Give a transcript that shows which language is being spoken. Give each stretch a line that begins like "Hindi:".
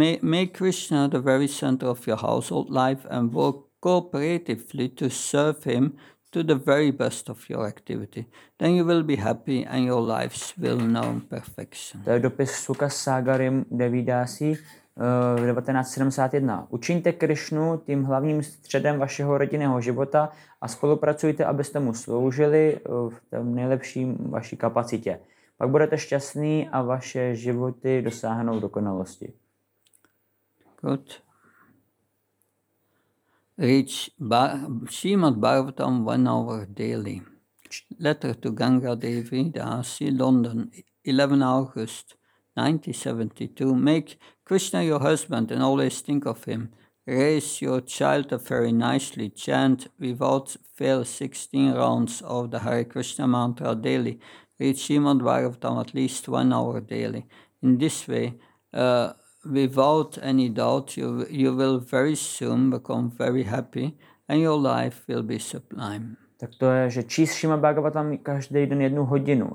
English: Make Krishna the very center of your household life and work cooperatively to serve him to the very best of your activity. Then you will be happy and your lives will know perfection.
Czech: To je dopis Sukha Sagiri Devidasi. 1971. Učiňte Krishnu tím hlavním středem vašeho rodinného života a spolupracujte, abyste mu sloužili v tom nejlepším vaší kapacitě. Pak budete šťastný a vaše životy dosáhnou dokonalosti.
English: Good. Reach Srimad Bhagavatam 1 hour daily. Letter to Ganga Devi Dasi, London, 11 August 1972. Make Krishna your husband and always think of him. Raise your child up very nicely. Chant without fail 16 rounds of the Hare Krishna mantra daily. Read Srimad Bhagavatam at least 1 hour daily. In this way, without any doubt, you will very soon become very happy and your life will be sublime.
Czech: Tak to je, že číst Srimad Bhagavatam každý den jednu hodinu.